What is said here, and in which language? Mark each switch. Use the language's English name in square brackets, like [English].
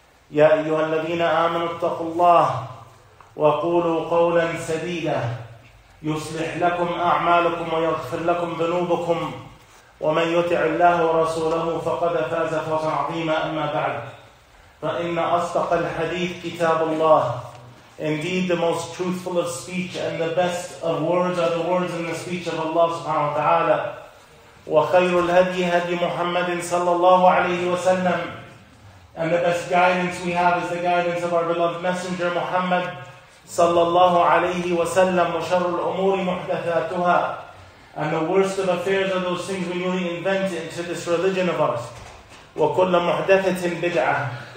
[Arabic] يا أيها الذين آمنوا اتقوا الله وقولوا قولا سديدا يصلح لكم أعمالكم ويغفر لكم ذنوبكم ومن يطع الله ورسوله فقد فاز فوزا عظيما. أما بعد فإن أصدق الحديث كتاب الله. [English] Indeed, the most truthful of speech and the best of words are the words in the speech of Allah subhanahu wa ta'ala. [Arabic] وخير الهدي هدي محمد صلى الله عليه وسلم. [English] And the best guidance we have is the guidance of our beloved messenger Muhammad [Arabic] صلى الله عليه وسلم. وشر الأمور محدثاتها. [English] And the worst of affairs are those things we newly invent into this religion of ours. [Arabic] وكل محدثة بدعة.